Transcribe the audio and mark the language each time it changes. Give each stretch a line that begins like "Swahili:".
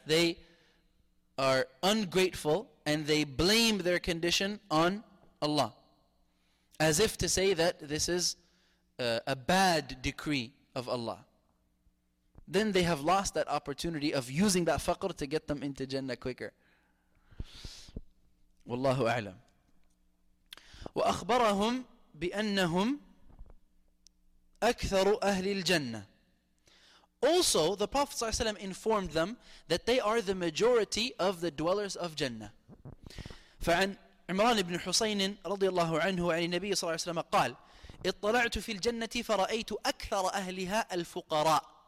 English: They are ungrateful and they blame their condition on Allah. As if to say that this is a bad decree of Allah. Then they have lost that opportunity of using that faqr to get them into Jannah quicker. Wallahu a'lam.
Arabic: وأخبرهم بأنهم أكثر أهل الجنة.
English: Also, the Prophet ﷺ informed them that they are the majority of the dwellers of Jannah.
Arabic: فعن عمران بن حسين رضي الله عنه عن النبي صلى الله عليه وسلم قال: اطلعت في الجنة فرأيت أكثر أهلها الفقراء.